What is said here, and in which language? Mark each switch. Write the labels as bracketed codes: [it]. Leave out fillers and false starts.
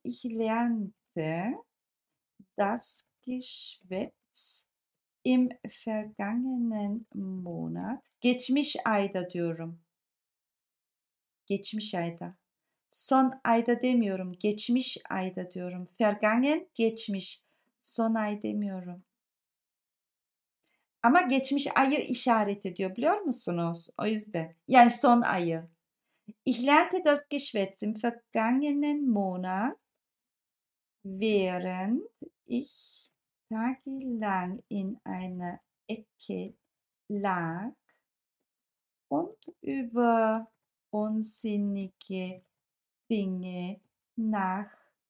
[de] Ich lernte das Geschwätz Im vergangenen Monat, [tr] geçmiş ayda diyorum. Geçmiş ayda. Son ayda demiyorum, geçmiş ayda diyorum. Vergangen, geçmiş. Son ay demiyorum. Ama geçmiş ayı işaret ediyor, biliyor musunuz? O yüzden. Yani son ayı. [de] Ich lernte das Geschwätz im vergangenen Monat, während ich tagelang in einer Ecke lag und über unsinnige Dinge nachdachte.